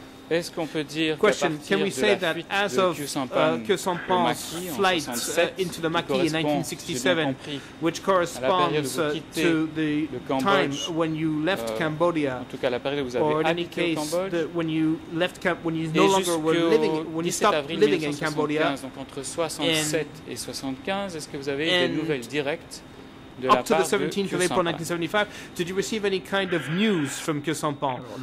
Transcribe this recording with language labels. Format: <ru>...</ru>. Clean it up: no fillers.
<fr>Est-ce qu'on peut dire question, qu'à partir</fr> <en>can we say that as of Kyusampan's flight into the Maquis in 1967, which corresponds to the time when you left Cambodia,</en> <fr>en tout cas, la période où vous avez</fr> <en>or in any case, the, when you left when you no longer were living, when you stopped living in Cambodia,</en> <fr>donc entre 67 et 75, est-ce que vous avez des nouvelles directes de la part de Kyusampan?</fr> <en>Up to the 17th of April 1975, did you receive any kind of news from Kyusampan?</en>